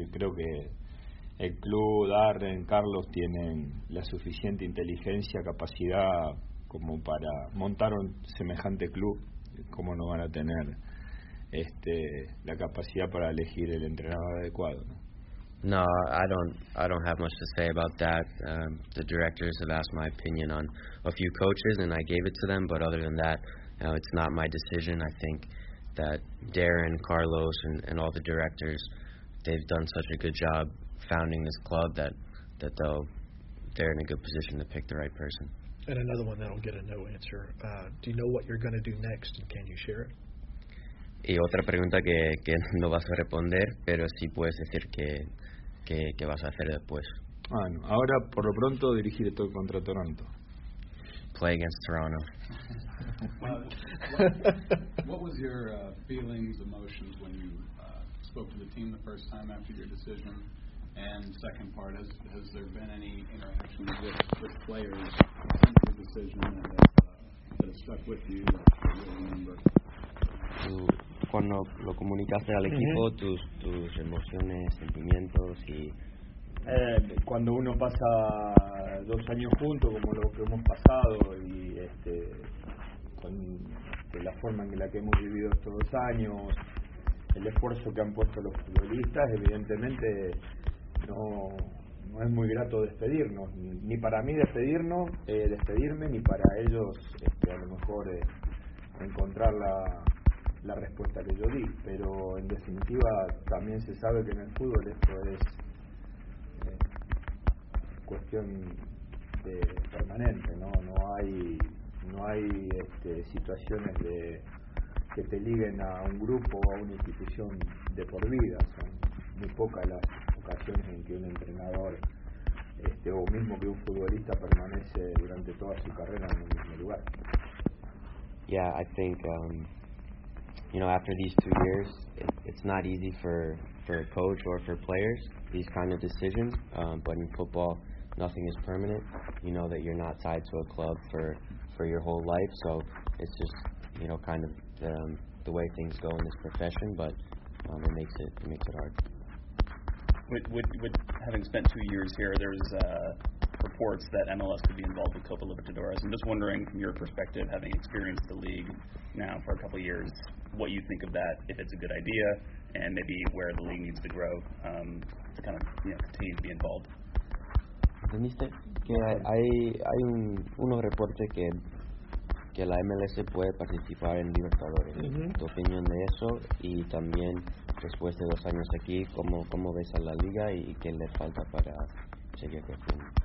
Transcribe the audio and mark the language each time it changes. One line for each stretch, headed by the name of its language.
Spanish: Yo creo que el club, Darren, Carlos tienen la suficiente inteligencia, capacidad como para montar un semejante club, como no van a tener la capacidad para elegir el entrenador adecuado, ¿no?
English: No, I don't have much to say about that. The directors have asked my opinion on a few coaches and I gave it to them, but other than that, you know, it's not my decision. I think that Darren, Carlos and all the directors, they've done such a good job founding this club that they're in a good position to pick the right person. And another one that'll get a no answer. Do you know what you're going to do next, and can you share it?
Spanish: Y otra pregunta que no vas a responder, pero sí puedes decir que vas a hacer después. Bueno, ahora por lo pronto dirigiré todo contra Toronto.
English: Play against Toronto. What was your feelings, emotions when you spoke to the team the first time after your decision? And second part, has there been any interaction with players since your decision that stuck with you that you remember?
Spanish: Cuando lo comunicaste al equipo, tus emociones, sentimientos y... Cuando uno pasa dos años juntos, como lo que hemos pasado, y con la forma en la que hemos vivido estos dos años, el esfuerzo que han puesto los futbolistas, evidentemente no es muy grato despedirnos, ni para mí despedirme, ni para ellos a lo mejor encontrar la respuesta que yo di, pero en definitiva también se sabe que en el fútbol esto es cuestión de permanente, no hay situaciones de que te liguen a un grupo o a una institución de por vida, son muy pocas las ocasiones en que un entrenador o mismo que un futbolista permanece durante toda su carrera en un mismo lugar.
English: Yeah, I think after these 2 years, it's not easy for a coach or for players, these kind of decisions, but in football, nothing is permanent. You know that you're not tied to a club for your whole life, so it's just, kind of the way things go in this profession, but it makes it hard. With having spent 2 years here, there's reports that MLS could be involved with Copa Libertadores. I'm just wondering, from your perspective, having experienced the league now for a couple of years, what you think of that, if it's a good idea, and maybe where the league needs to grow to kind of continue to be involved.
Spanish: ¿Entendiste? Que hay unos reportes que la MLS puede participar en Libertadores. Mm-hmm. ¿Tu opinión de eso? Y también, después de dos años aquí, ¿cómo ves a la liga y qué le falta para seguir creciendo?